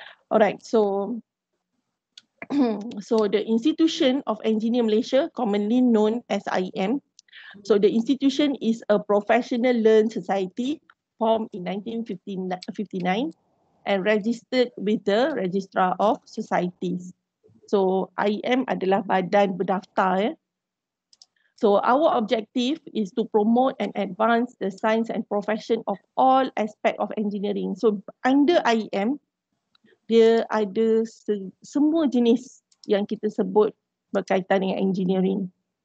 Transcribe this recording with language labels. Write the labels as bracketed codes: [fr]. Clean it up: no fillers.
[en] All right, so so the Institution of Engineer Malaysia, commonly known as IEM. So the institution is a professional learned society formed in 1959 and registered with the Registrar of Societies. [ms] So IEM adalah badan berdaftar. [en] So our objective is to promote and advance the science and profession of all aspects of engineering. [ms] So under IEM, dia ada semua jenis yang kita sebut berkaitan dengan engineering.